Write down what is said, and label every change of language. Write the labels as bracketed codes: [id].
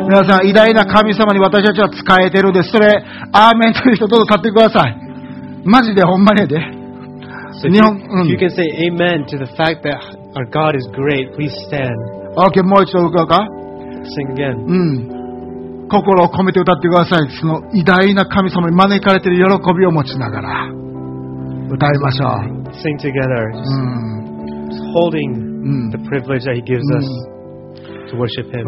[ja] 皆さん、偉大な神様に私たちは仕えてるんです。それ、アーメンという人、どうぞ立ってください。マジで、ほんまにで。 [en] So if you can say amen to the fact that our God is great, please stand. [ja] Okay, もう一度歌うか? [en] Sing again. [ja] 心を込めて歌ってください。その偉大な神様に招かれている喜びを持ちながら歌いましょう。 [en] Sing together. Holding the privilege that He gives us to worship Him.